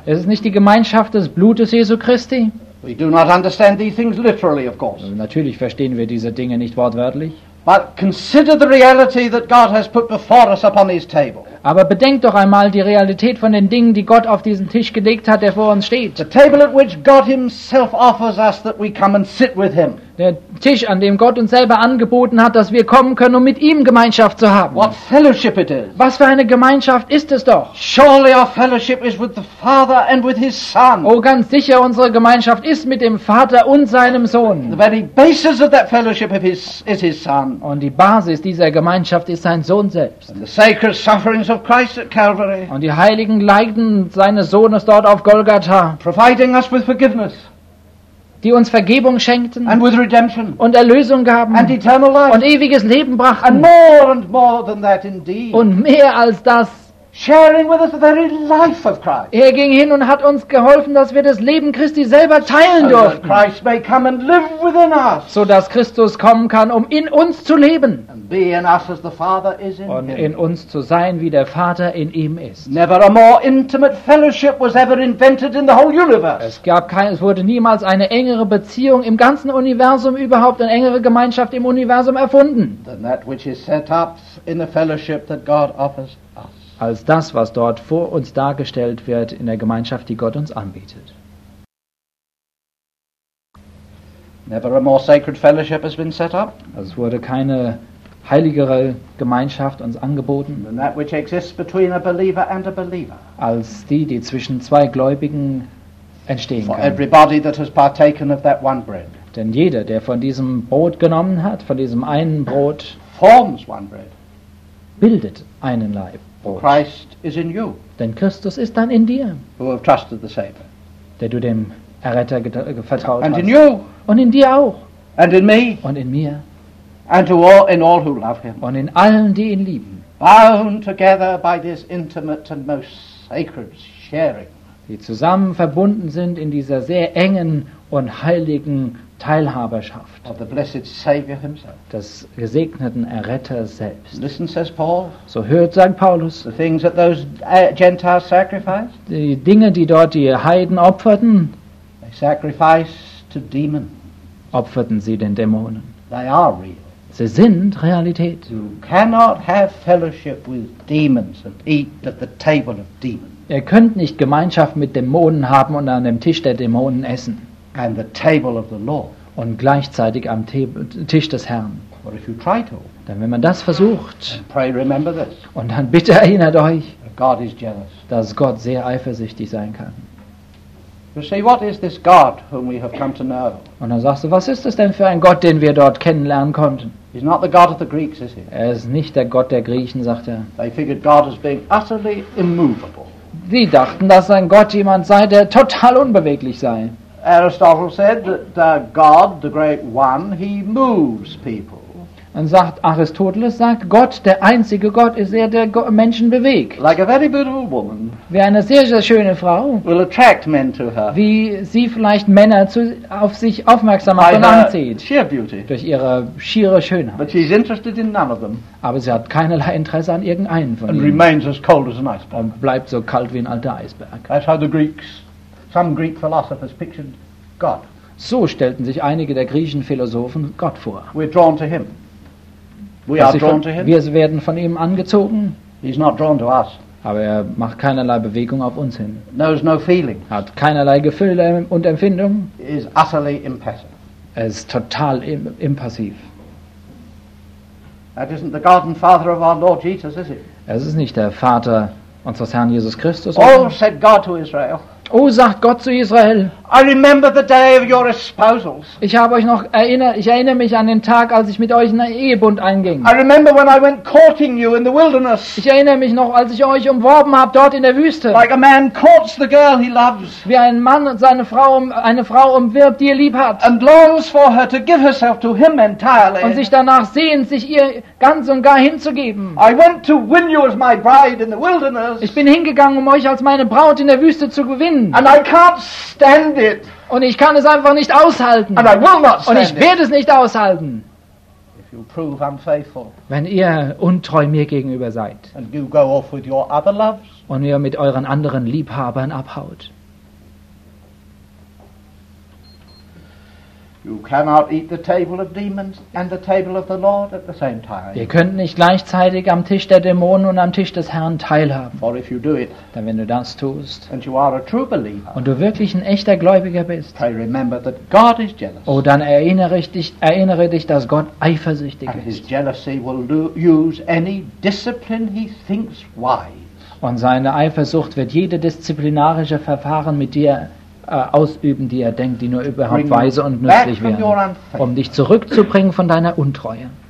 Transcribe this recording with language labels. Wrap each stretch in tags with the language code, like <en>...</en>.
<de>Ist es nicht die Gemeinschaft des Blutes Jesu Christi?</de> <en>We do not understand these things literally, of course.</en> <de>Natürlich verstehen wir diese Dinge nicht wortwörtlich.</de> <en>But consider the reality that God has put before us upon his table.</en> <de>Aber bedenkt doch einmal die Realität von den Dingen, die Gott auf diesen Tisch gelegt hat, der vor uns steht.</de> <en>The table at which God himself offers us that we come and sit with him.</en> <de>Der Tisch, an dem Gott uns selber angeboten hat, dass wir kommen können, um mit ihm Gemeinschaft zu haben.</de> <en>What fellowship it is.</en> <de>Was für eine Gemeinschaft ist es doch?</de> <en>Surely our fellowship is with the Father and with his Son.</en> <de>Oh, ganz sicher, unsere Gemeinschaft ist mit dem Vater und seinem Sohn.</de> <en>The very basis of that fellowship is his Son.</en> <de>Und die Basis dieser Gemeinschaft ist sein Sohn selbst.</de> <en>And the sacred sufferings of Christ at Calvary.</en> <de>Und die heiligen Leiden seines Sohnes dort auf Golgatha.</de> <en>Providing us with forgiveness.</en> <de>Die uns Vergebung schenkten</de> <en>and with redemption,</en> <de>und Erlösung gaben</de> <en>and eternal life,</en> <de>und ewiges Leben brachten</de> <en>and more than that indeed.</en> <de>Und mehr als das.</de> <en>Sharing with us the very life of Christ.</en> <de>Er ging hin und hat uns geholfen, dass wir das Leben Christi selber teilen durften,</de> <en>that Christ may come and live within us,</en> <de>so dass Christus kommen kann, um in uns zu leben</de> <en>and be in us as the Father is in</en> <de>und</de> <en>him.</en> <de>In uns zu sein, wie der Vater in ihm ist.</de> <en>Never a more intimate fellowship was ever invented in the whole universe.</en> <de>Es wurde niemals eine engere Beziehung im ganzen Universum überhaupt, eine engere Gemeinschaft im Universum erfunden,</de> <en>than that which is set up in the fellowship that God offers us.</en> <de>Als das, was dort vor uns dargestellt wird in der Gemeinschaft, die Gott uns anbietet.</de> <en>Never a more sacred fellowship has been set up.</en> <de>Es wurde keine heiligere Gemeinschaft uns angeboten</de> <en>than that which exists between a believer and a believer.</en> <de>Als die, die zwischen zwei Gläubigen entstehen kann.</de> <en>For everybody that has partaken of that one bread.</en> <de>Denn jeder, der von diesem Brot genommen hat, von diesem einen Brot,</de> <en>forms one bread.</en> <de>Bildet einen Leib.</de> <en>Christ is in you.</en> <de>Denn Christus ist dann in dir.</de> <en>Who have trusted the Savior.</en> <de>Der du dem Erretter vertraut</de> <en>and</en> <de>hast.</de> <en>In you.</en> <de>Und in dir auch.</de> <en>And in me.</en> <de>Und in mir.</de> <en>And to all, in all who love him.</en> <de>Und in allen, die ihn lieben.</de> <en>Bound together by this intimate and most sacred sharing.</en> <de>Die zusammen verbunden sind in dieser sehr engen und heiligen Teilhaberschaft.</de> <en>Of the blessed Savior himself.</en> <de>Des gesegneten Erretters selbst.</de> <en>Listen, says Paul.</en> <de>So hört St. Paulus.</de> <en>The things that those Gentiles sacrificed.</en> <de>Die Dinge, die dort die Heiden opferten.</de> <en>They sacrificed to demons.</en> <de>Opferten sie den Dämonen.</de> <en>They are real.</en> <de>Sie sind Realität.</de> <en>You cannot have fellowship with demons and eat at the table of demons.</en> <de>Ihr könnt nicht Gemeinschaft mit Dämonen haben und an dem Tisch der Dämonen essen.</de> <en>And the table of the Lord.</en> <de>Und gleichzeitig am Tisch des Herrn.</de> <en>But if you try to,</en> <de>dann wenn man das versucht,</de> <en>and pray, remember this,</en> <de>und dann bitte erinnert euch,</de> <en>God is jealous,</en> <de>dass Gott sehr eifersüchtig sein kann.</de> <en>You see, what is this God whom we have come to know?</en> <de>Und dann sagst du, was ist das denn für ein Gott, den wir dort kennenlernen konnten?</de> <en>He's not the God of the Greeks, is he?</en> <de>Er ist nicht der Gott der Griechen, sagt er.</de> <en>They figured God as being utterly immovable.</en> <de>Sie dachten, dass ein Gott jemand sei, der total unbeweglich sei.</de> <en>Aristotle said that God, the great one, he moves people.</en> <de>Und sagt Aristoteles, sagt Gott, der einzige Gott, ist er, der Menschen bewegt.</de> <en>Like a very beautiful woman.</en> <de>Wie eine sehr, sehr schöne Frau.</de> <en>Will attract men to her.</en> <de>Wie sie vielleicht Männer auf sich aufmerksam macht und anzieht.</de> <en>Sheer beauty.</en> <de>Durch ihre schiere Schönheit.</de> <en>But she's interested in none of them.</en> <de>Aber sie hat keinerlei Interesse an irgendeinen von</de> <en>and</en> <de>ihnen.</de> <en>Remains as cold as an iceberg.</en> <de>Und bleibt so kalt wie ein alter Eisberg.</de> <en>That's how the Greeks. Some Greek philosophers pictured God.</en> <de>So stellten sich einige der griechischen Philosophen Gott vor.</de> <en>We're drawn to him. We are drawn to him.</en> <de>Wir werden von ihm angezogen.</de> <en>He's not drawn to us.</en> <de>Aber er macht keinerlei Bewegung auf uns hin.</de> <en>Knows no feeling.</en> <de>Hat keinerlei Gefühle und Empfindungen.</de> <en>Is utterly impassive.</en> <de>Er ist total impassiv.</de> <en>That isn't the God and Father of our Lord Jesus, is it?</en> <de>Es ist nicht der Vater unseres Herrn Jesus Christus.</de> <en>Oh, said God to Israel.</en> <de>O, sagt Gott zu Israel,</de> <en>I remember the day of your espousals.</en> <de>Ich habe euch noch ich erinnere mich an den Tag, als ich mit euch in einen Ehebund einging.</de> <en>I remember when I went courting you in the wilderness.</en> <de>Ich erinnere mich noch, als ich euch umworben habe dort in der Wüste.</de> <en>Like a man courts the girl he loves.</en> <de>Wie ein Mann seine Frau eine Frau umwirbt, die er lieb hat.</de> <en>And longs for her to give herself to him entirely.</en> <de>Und sich danach sehnt, sich ihr ganz und gar hinzugeben.</de> <en>I went to win you as my bride in the wilderness.</en> <de>Ich bin hingegangen, um euch als meine Braut in der Wüste zu gewinnen.</de> <en>And I can't stand it.</en> <de>Und ich kann es einfach nicht aushalten.</de> <en>And I will not stand</en> <de>Und ich werde es nicht aushalten.</de> <en>If you prove unfaithful.</en> <de>Wenn ihr untreu mir gegenüber seid.</de> <en>And you go off with your other loves.</en> <de>Und ihr mit euren anderen Liebhabern abhaut.</de> <en>You cannot eat the table of demons and the table of the Lord at the same time.</en> <de>Ihr könnt nicht gleichzeitig am Tisch der Dämonen und am Tisch des Herrn teilhaben.</de> <en>For if you do it,</en> <de>denn wenn du das tust,</de> <en>and you are a true believer,</en> <de>und du wirklich ein echter Gläubiger bist,</de> <en>pray remember that God is jealous.</en> <de>Oh, dann erinnere dich, dass Gott eifersüchtig</de> <en>and</en> <de>ist.</de> <en>And his jealousy will use any discipline he thinks wise.</en> <de>Und seine Eifersucht wird jede disziplinarische Verfahren mit dir ausüben, die er denkt, die nur überhaupt weise und nützlich wären, um dich zurückzubringen von deiner Untreue.</de>